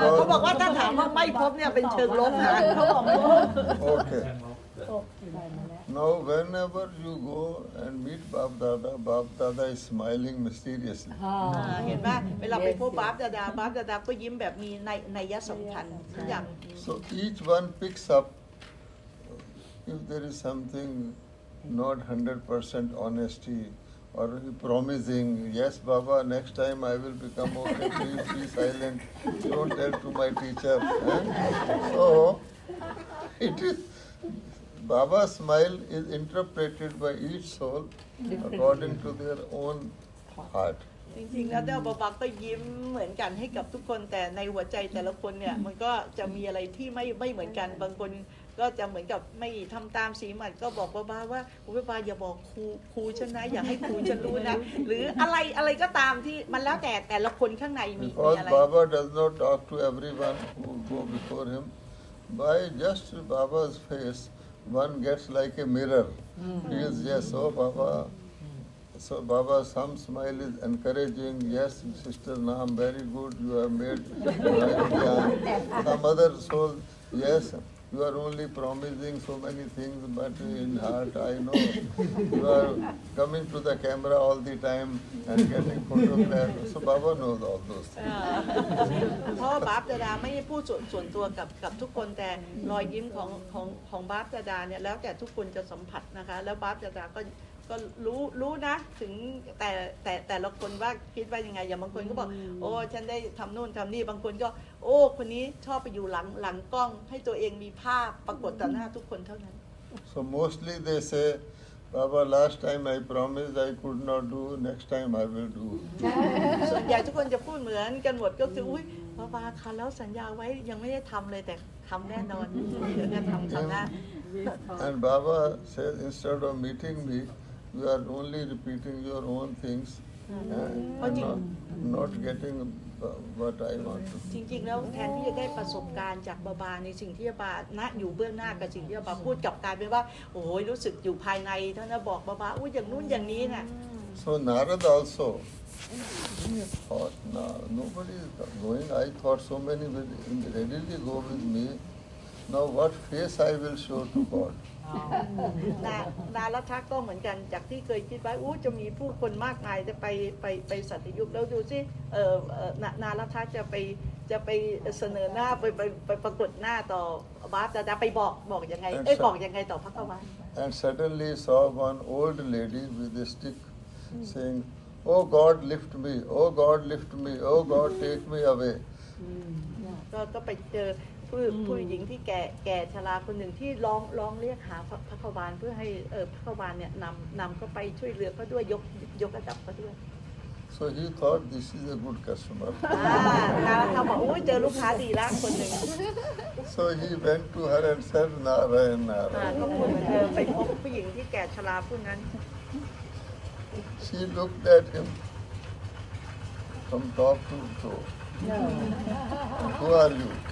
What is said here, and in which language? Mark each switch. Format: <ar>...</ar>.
<th>เขาบอกว่าถ้าถามว่าไม่พบเนี่ยเป็นเชิงลบนะเขาบอกว่า</th> <en>okay. Now, whenever you go and meet Bab Dada, Bab Dada is smiling mysteriously.</en> <th>Ah, เห็นไหมเวลาไปพบบาบดาก็ยิ้มแบบมีในยะสำคัญอย่าง</th> <en>So each one picks up if there is something not 100% honesty or promising. Yes, Baba, next time I will become okay. Please be silent. Don't tell to my teacher. So it is. Baba's smile is interpreted by each soul according to their own heart.</en> <th>จริงๆแล้วเนี่ยบาบาก็ยิ้มเหมือนกันให้กับทุกคนแต่ในหัวใจแต่ละคนเนี่ยมันก็จะมีอะไรที่ไม่เหมือนกันบางคนก็จะเหมือนกับไม่ทำตามสีมันก็บอกบาบาว่าบาบาอย่าบอกครูฉันนะอย่าให้ครูฉันรู้นะหรืออะไรก็ตามที่มันแล้วแต่ละคนข้างในมีอะไร</th> <en>Baba does not talk to everyone who go before him by just Baba's faceOne gets like a mirror. He is, yes, oh Baba. So Baba, some smile is encouraging. Yes, Sister Naam, very good. You have made some other soul. Yes, you are only promising so many things, but in heart I know. You are coming to the camera all the time and getting photographed. So Baba knows all those things.</en> <th>เพราะบาบดาดาไม่พูดส่วนตัวกับทุกคนแต่รอยยิ้มของบาบดาดาเนี่ยแล้วแต่ทุกคนจะสัมผัสนะคะแล้วบาบดาดาก็รู้นะถึงแต่ละคนว่าคิดว่ายังไงอย่างบางคนก็บอกโอ้ฉันได้ทำนู่นทำนี่บางคนก็โอ้คนนี้ชอบไปอยู่หลังกล้องให้ตัวเองมีภาพปรากฏต่อหน้าทุกคนเท่านั้น</th> <en>So mostly they say Baba, last time I promised I could not do. Next time I will do.</en> <th>ส่วนใหญ่ทุกคนจะพูดเหมือนกันหมดก็คืออุ้ยบาบาคันแล้วสัญญาไว้ยังไม่ได้ทำเลยแต่ทำแน่นอนเดี๋ยวจะทำครั้งหน้า</th> <en>And Baba says instead of meeting me, you are only repeating your own things and not getting what I want.</en> <th>จริงๆแล้วแทนที่จะได้ประสบการณ์จากบาบาในสิ่งที่บาบาณอยู่เบื้องหน้ากับสิ่งที่บาบาพูดกลับกลายเป็นว่าโอ้ยรู้สึกอยู่ภายในท่านบอกบาบาอุ้ยอย่างนู้นอย่างนี้น่ะ</th> <en>So Narada also thought, nobody is going. I thought so many will readily go with me. Now what face I will show to God?</en> <th>Narada ก็เหมือนกันจากที่เคยคิดไว้อู้จะมีผู้คนมากมายจะไปสัตยุกต์แล้วดูสิNarada จะไปเสนอหน้าไปปรากฏหน้าต่อบาปจะไปบอกยังไงเอ้ยบอกยังไงต่อพระเจ้าว</th> <en>ะ And suddenly saw one old lady with a stick saying, "Oh God, lift me! Oh God, lift me! Oh God, take me away."</en> <th>ก็ไปเจอผู้หญิงที่แก่ชราคนหนึ่งที่ร้องเรียกหาพระขบานเพื่อให้พระขบานเนี่ยนำเขาไปช่วยเหลือเขาด้วยยกระดับเขาด้วย</th> <en>so he thought this is a good customer</en> <th>Narada บอกโอ้ยเจอลูกค้าดีละคนหนึ่ง</th> <en>so he went to her and said Narayan</en> <th>ก็คุณไปพบผู้หญิงที่แก่ชราผู้นั้น</th> <en>she looked at him from top to toeWho are you?</en>